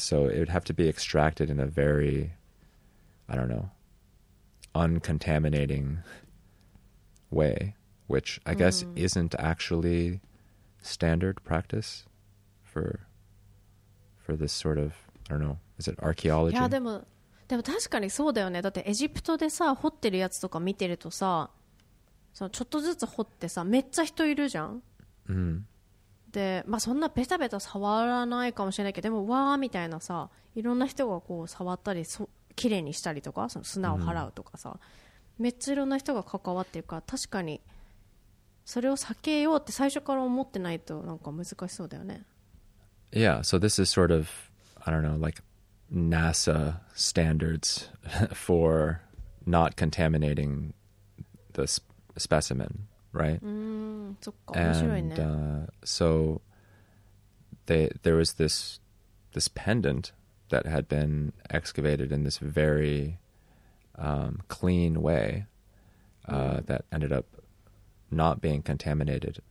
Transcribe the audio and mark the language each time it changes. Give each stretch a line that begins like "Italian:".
English: So it would have to be extracted in a very, I don't know, uncontaminating way, which I guess isn't actually standard practice for this sort of, I don't know, is it archaeology?
Japanese: Yeah, でも確かにそうだよね。だってエジプトでさ、掘ってるやつとか見てるとさ、そのちょっとずつ掘ってさ、めっちゃ人いるじゃん。で、まあそんなベタベタ触らないかもしれないけど、でもわーみたいなさ、いろんな人がこう触ったり、きれいにしたりとか、その砂を払うとかさ、めっちゃいろんな人が関わってるから、確かにそれを避けようって最初から思ってないとなんか難しそうだよね。
English: Yeah, so this is sort of, I don't know, like... NASA standards for not contaminating the specimen, right? And so there was this pendant that had been excavated in this very clean way that ended up not being contaminated.